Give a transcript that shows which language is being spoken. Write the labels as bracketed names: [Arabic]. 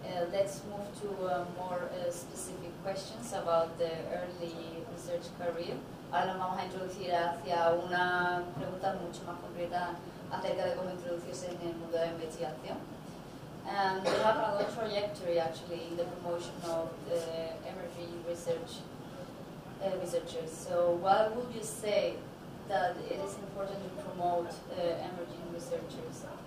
[English] Let's move to more specific questions about the early research career. [Spanish] Ahora vamos a introducir hacia una pregunta mucho más concreta acerca de cómo introducirse en el mundo de la investigación. [English] You have a long trajectory, actually, in the promotion of the emerging research researchers. So, why would you say that it is important to promote emerging researchers?